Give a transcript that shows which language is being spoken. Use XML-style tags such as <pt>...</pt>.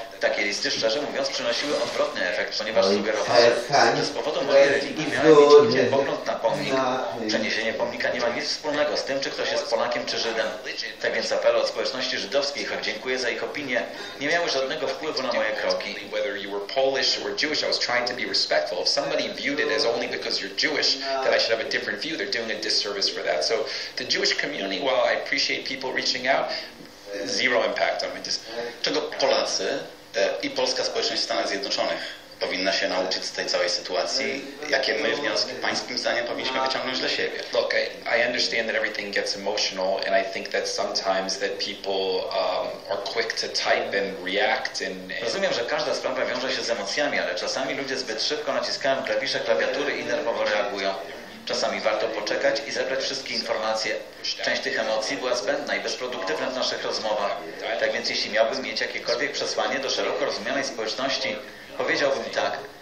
<pl>Takie listy, szczerze mówiąc, przynosiły odwrotny efekt, ponieważ sugerowały, że z powodu mojej religii miałem mieć inny pogląd na pomnik. Przeniesienie pomnika nie ma nic wspólnego z tym, czy ktoś jest Polakiem czy Żydem. Tak więc apele od społeczności żydowskiej, choć dziękuję za ich opinię, nie miały żadnego wpływu na moje kroki.</pl> <en>Whether you were Polish or Jewish, I was trying to be respectful. If somebody viewed it as only because you're Jewish, that I should have a different view, they're doing a disservice for that. So the Jewish community, while I appreciate people reaching out, zero impact on me.</en> <pl>Czego Polacy i polska społeczność Stanów Zjednoczonych powinna się nauczyć z tej całej sytuacji? Jakie my wnioski, pańskim zdaniem, powinniśmy wyciągnąć dla siebie?</pl> <en>Look, I understand that everything gets emotional, and I think that sometimes that people are quick to type and react.</en> <pl>Rozumiem, że każda sprawa wiąże się z emocjami, ale czasami ludzie zbyt szybko naciskają klawisze klawiatury i nerwowo reagują. Czasami warto poczekać i zebrać wszystkie informacje. Część tych emocji była zbędna i bezproduktywna w naszych rozmowach. Tak więc jeśli miałbym mieć jakiekolwiek przesłanie do szeroko rozumianej społeczności, powiedziałbym tak.</pl>